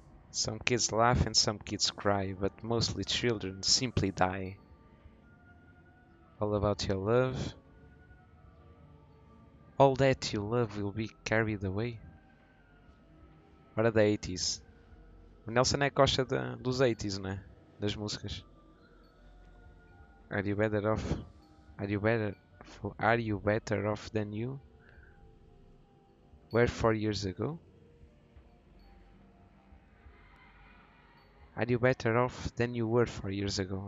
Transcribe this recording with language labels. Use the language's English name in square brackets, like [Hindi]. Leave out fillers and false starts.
[English] Some kids laugh and some kids cry, but mostly children simply die. All about your love. All that you love will be carried away. [Portuguese] Hora da 80s. O Nelson é que gosta dos 80s, né? Das músicas. [English] Are you better off? Are you better off than you were 4 years ago? Are you better off than you were 4 years ago?